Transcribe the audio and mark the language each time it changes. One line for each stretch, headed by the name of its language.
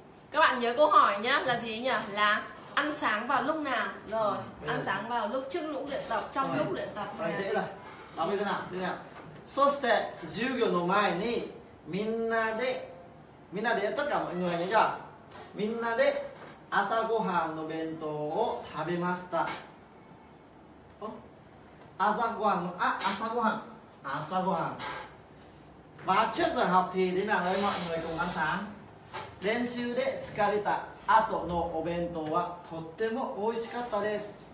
Vietnamese: Các bạn nhớ câu hỏi nhá, là gì nhỉ, là ăn sáng vào lúc nào? Rồi ăn sáng vào lúc trước lúc luyện tập, trong lúc luyện tập này dễ rồi. Đó bây giờ nào, thế nào?
Japanese: So して授業の前にみんなで
Vietnamese: tất cả mọi người nhớ chưa?
Japanese: みんなで朝ごはんの弁当を食べました。お、朝ごはん、あ、朝ごはん、朝ごはん。
Vietnamese: Và trước giờ học thì thế nào đấy mọi người cùng ăn sáng.
Japanese: 練習で疲れた後のお弁当はとっても美味しかったです。